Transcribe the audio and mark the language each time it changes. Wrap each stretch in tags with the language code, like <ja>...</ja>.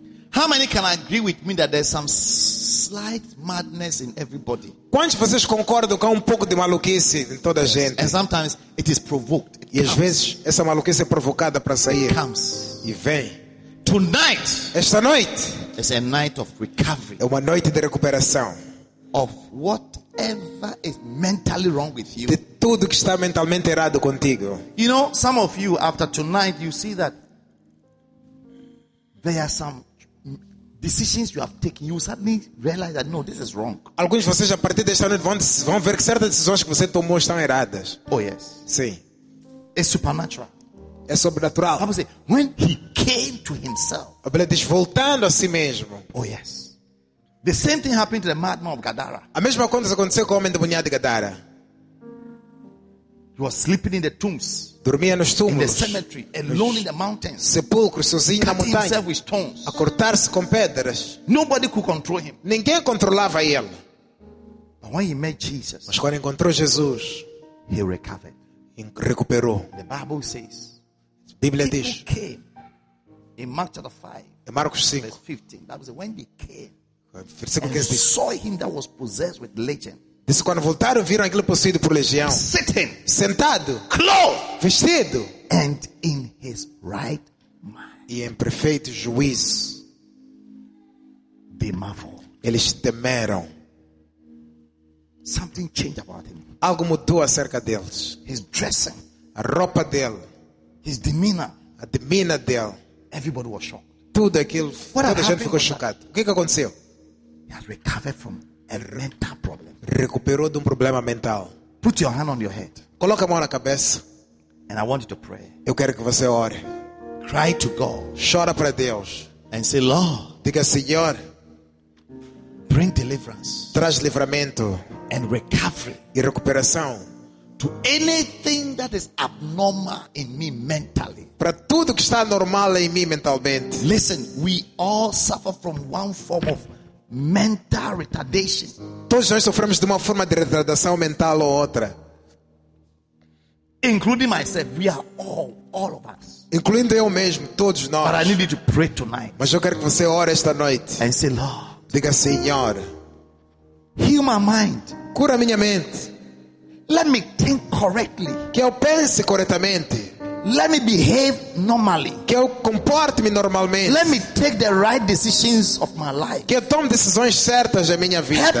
<en>How many can agree with me that there's some slight madness in everybody?</en> <pt>Quantos vocês concordam com pouco de maluquice em toda a gente?</pt> <en>And sometimes it is provoked. It</en> <pt>e às vezes essa maluquice é provocada para sair.</pt> <en>It comes.</en> <pt>E vem.</pt> <en>Tonight.</en> <pt>Esta noite.</pt> <en>It's a night of recovery.</en> <pt>É uma noite de recuperação.</pt> <en>Of whatever is mentally wrong with you.</en> <pt>De tudo que está mentalmente errado contigo.</pt> <en>You know, some of you after tonight you see that there are some decisions you have taken, you suddenly realize that no, this is wrong.</en> <pt>Alguns de vocês a partir desta noite vão ver que certas decisões que você tomou estão erradas.</pt> <en>Oh yes.</en> <pt>Sim.</pt> <en>It's supernatural.</en> <pt>É sobrenatural.</pt> <en>How about say, when he came to himself.</en> <pt>A Bíblia diz, voltando a si mesmo.</pt> <en>Oh yes. The same thing happened to the madman of Gadara.</en> <pt>A mesma coisa aconteceu com o homem demoniado de Gadara.</pt> <en>He was sleeping in the tombs.</en> <pt>Dormia nos túmulos.</pt> <en>In the cemetery, alone in the mountains.</en> <pt>Sepulcro, sozinho na montanha.</pt> <en>Cutting himself with stones.</en> <pt>A cortar-se com pedras.</pt> <en>Nobody could control him.</en> <pt>Ninguém controlava ele.</pt> <en>But when he met Jesus,</en> <pt>mas quando encontrou Jesus,</pt> <en>he recovered.</en> <pt>recuperou.</pt> <en>The Bible says,</en> <pt>Bíblia diz,</pt> <en>he came in Mark chapter 5,</en> <pt>em Marcos 5,</pt> <en>verse 15. That was when he came,</en> <pt>versículo 15,</pt> <en>and saw him that was possessed with legion.</en> <pt>Disse, quando voltaram, viram aquele possuído por legião.</pt> <en>Sitting,</en> <pt>sentado,</pt> <en>clothed,</en> <pt>vestido,</pt> <en>and in his right mind.</en> <pt>E em perfeito juízo.</pt> <en>They marveled.</en> <pt>Eles temeram.</pt> <en>Something changed about him.</en> <pt>Algo mudou acerca deles.</pt> <en>His dressing,</en> <pt>a roupa dele.</pt> <en>His demeanor,</en> <pt>a demeanor dele.</pt> <en>Everybody was shocked.</en> <pt>Tudo aquilo, toda a gente ficou chocado. O que aconteceu?</pt> <en>He had recovered from a mental problem.</en> <pt>Recuperou de problema mental.</pt> <en>Put your hand on your head.</en> <pt>Coloca a mão na cabeça.</pt> <en>And I want you to pray.</en> <pt>Eu quero que você ore.</pt> <en>Cry to God.</en> <pt>Chora para Deus.</pt> <en>And say, Lord,</en> <pt>diga, Senhor,</pt> <en>bring deliverance,</en> <pt>traz livramento,</pt> <en>and recovery,</en> <pt>e recuperação,</pt> <en>to anything that is abnormal in me mentally.</en> <pt>Para tudo que está normal em mim mentalmente.</pt> <en>Listen, we all suffer from one form of mental retardation.</en> <pt>Todos nós sofremos de uma forma de retardação mental ou outra.</pt> <en>Including myself, we are all of us.</en> <pt>Incluindo eu mesmo, todos nós.</pt> <en>But I need you to pray tonight.</en> <pt>Mas eu quero que você ore esta noite.</pt> <en>And say, Lord,</en> <pt>diga, Senhor,</pt> <en>heal my mind.</en> <pt>Cura minha mente.</pt> <en>Let me think correctly.</en> <pt>Que eu pense corretamente.</pt> <en>Let me behave normally.</en> <pt>Que eu comporte-me normalmente.</pt> <en>Let me take the right decisions of my life.</en> <pt>Que eu tome decisões certas da minha vida.</pt>